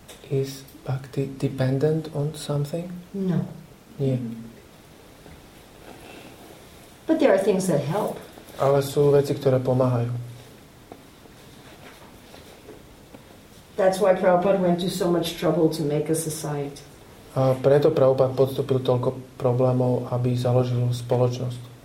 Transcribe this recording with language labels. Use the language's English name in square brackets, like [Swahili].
[English] Is bhakti dependent on something? No. [Slovak] Nie. [English] But there are things that help. [Slovak] Ale sú veci, ktoré pomáhajú. [English] That's why Prabhupada went to so much trouble to make a society. [Slovak] A preto Prabhupada podstúpil toľko problémov, aby založil spoločnosť.